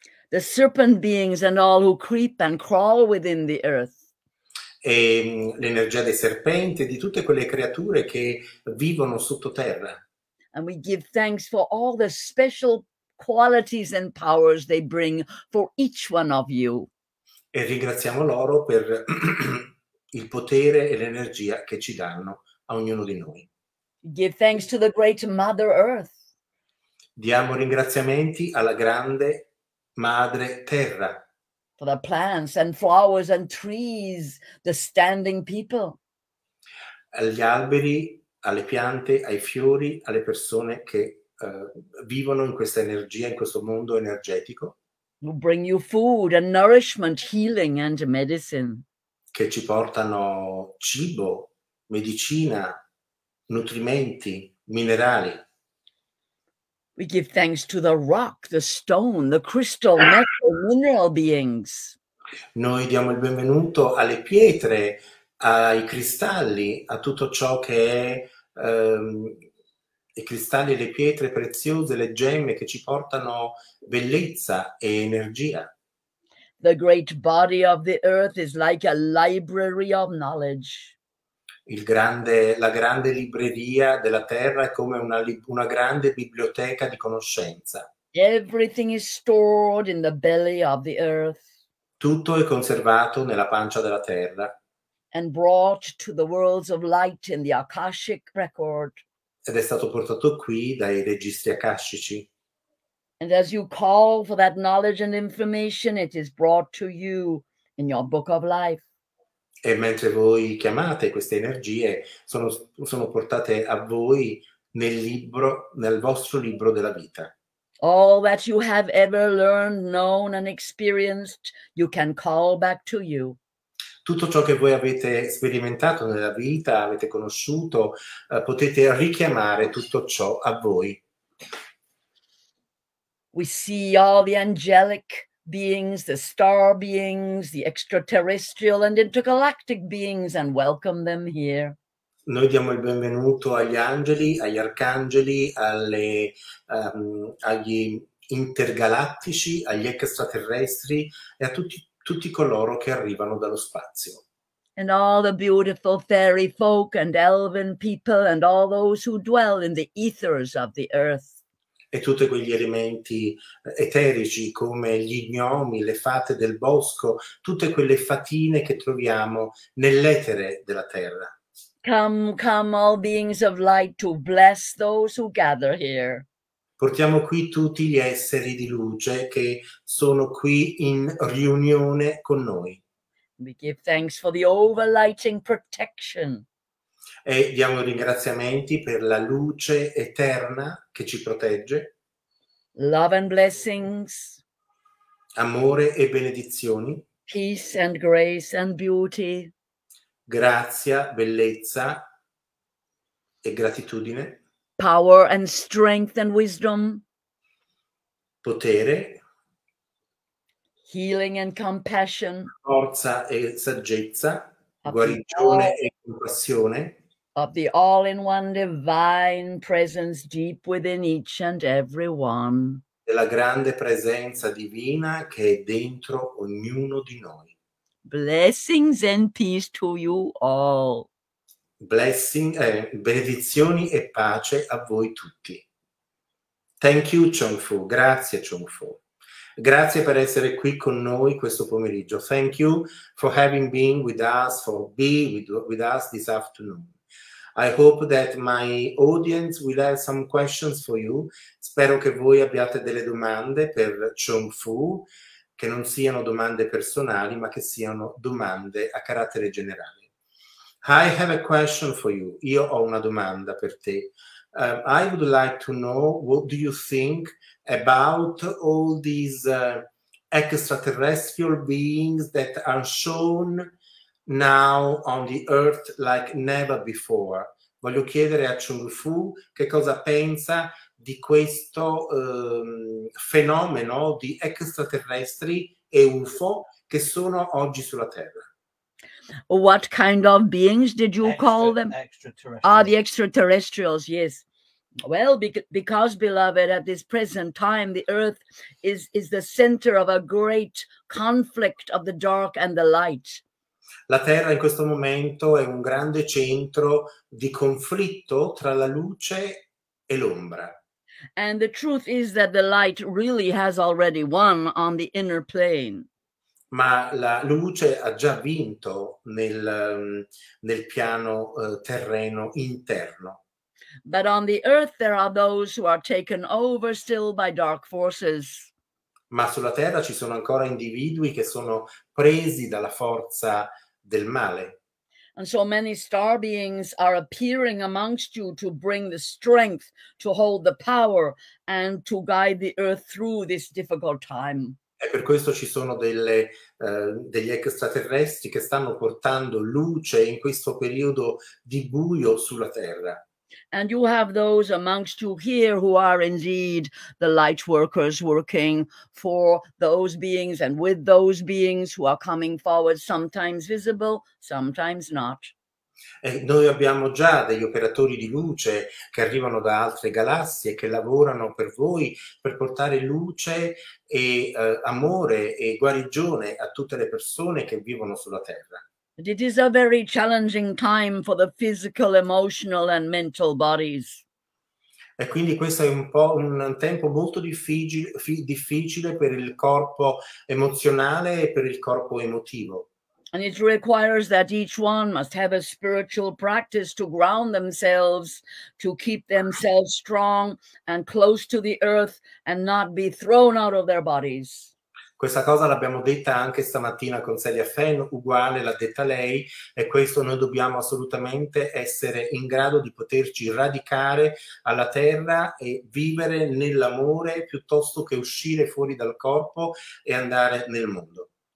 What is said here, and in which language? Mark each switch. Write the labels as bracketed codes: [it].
[en] The serpent beings and all who creep and crawl within the earth. [it] E l'energia dei serpenti e di tutte quelle creature che vivono sottoterra. [en] And we give thanks for all the special qualities and powers they bring for each one of you. [it] E ringraziamo loro per il potere e l'energia che ci danno a ognuno di noi. [en] Give thanks to the great Mother Earth. [it] Diamo ringraziamenti alla grande Madre Terra. [en] For the plants and flowers and trees, the standing people. [it] Agli alberi, alle piante, ai fiori, alle persone che vivono in questa energia, in questo mondo energetico. [en] Who bring you food and nourishment, healing and medicine. [it] che ci portano cibo, medicina, nutrimenti, minerali. [en] We give thanks to the rock, the stone, the crystal, metal, mineral beings. [it] Noi diamo il benvenuto alle pietre, ai cristalli, a tutto ciò che è i cristalli, le pietre preziose, le gemme che ci portano bellezza e energia. [en] The great body of the earth is like a library of knowledge. [it] La grande libreria della terra è come una grande biblioteca di conoscenza. [en] Everything is stored in the belly of the earth. [it] Tutto è conservato nella pancia della terra. [en] And brought to the worlds of light in the Akashic record. [it] Ed è stato portato qui dai registri akashici. [en] And as you call for that knowledge and information, it is brought to you in your book of life. [it] E mentre voi chiamate queste energie, sono portate a voi nel vostro libro della vita. [en] All that you have ever learned, known and experienced, you can call back to you. [it] Tutto ciò che voi avete sperimentato nella vita, avete conosciuto, potete richiamare tutto ciò a voi. [en] We see all the angelic beings, the star beings, the extraterrestrial and intergalactic beings and welcome them here. [it] Noi diamo il benvenuto agli angeli, agli arcangeli, agli intergalattici, agli extraterrestri e a tutti coloro che arrivano dallo spazio. [en] And all the beautiful fairy folk and elven people and all those who dwell in the ethers of the earth. [it] E tutti quegli elementi eterici come gli gnomi, le fate del bosco, tutte quelle fatine che troviamo nell'etere della terra. [en] Come, come all beings of light to bless those who gather here. [it] Portiamo qui tutti gli esseri di luce che sono qui in riunione con noi. [en] We give thanks for the overlighting protection. [it] E diamo ringraziamenti per la luce eterna che ci protegge. [en] Love and blessings. [it] Amore e benedizioni. [en] Peace and grace and beauty. [it] Grazia, bellezza e gratitudine. [en] Power and strength and wisdom. [it] Potere. [en] Healing and compassion. [it] Forza e saggezza. Guarigione e compassione. [en] Of the all-in-one divine presence deep within each and every one. [it] Della grande presenza divina che è dentro ognuno di noi. [en] Blessings and peace to you all. [it] Benedizioni e pace a voi tutti. [en] Thank you, Chung Fu. [it] Grazie, [en] Chung Fu. [it] Grazie per essere qui con noi questo pomeriggio. [en] Thank you for having been with us, for being with us this afternoon. I hope that my audience will have some questions for you. [it] Spero che voi abbiate delle domande per Chung Fu, che non siano domande personali, ma che siano domande a carattere generale. [en] I have a question for you. [it] Io ho una domanda per te. [en] I would like to know what do you think about all these extraterrestrial beings that are shown now on the earth like never before. [it] Voglio chiedere a Chung Fu che cosa pensa di questo fenomeno di extraterrestri e UFO che sono oggi sulla Terra. [en] What kind of beings did you call them? Extraterrestrials. Ah, the extraterrestrials, yes. Well, because, beloved, at this present time, the Earth is the center of a great conflict of the dark and the light. [it] La Terra in questo momento è un grande centro di conflitto tra la luce e l'ombra. [en] And the truth is that the light really has already won on the inner plane. [it] Ma la luce ha già vinto nel piano terreno interno. [en] But on the earth there are those who are taken over still by dark forces. [it] Ma sulla terra ci sono ancora individui che sono presi dalla forza del male. [en] And so many star beings are appearing amongst you to bring the strength, to hold the power, and to guide the earth through this difficult time. [it] E per questo ci sono degli extraterrestri che stanno portando luce in questo periodo di buio sulla Terra. [en] And you have those amongst you here who are indeed the light workers working for those beings and with those beings who are coming forward, sometimes visible, sometimes not. [it] E noi abbiamo già degli operatori di luce che arrivano da altre galassie che lavorano per voi per portare luce e amore e guarigione a tutte le persone che vivono sulla Terra. [en] It is a very challenging time for the physical, emotional and mental bodies. [it] E quindi questo è un po' un tempo molto difficile per il corpo emozionale e per il corpo emotivo. [en] And it requires that each one must have a spiritual practice to ground themselves, to keep themselves strong and close to the earth and not be thrown out of their bodies. [it] Questa cosa l'abbiamo detta anche stamattina con Celia Fenn, uguale l'ha detta lei, e questo noi dobbiamo assolutamente essere in grado di poterci radicare alla terra e vivere nell'amore piuttosto che uscire fuori dal corpo e andare nel mondo.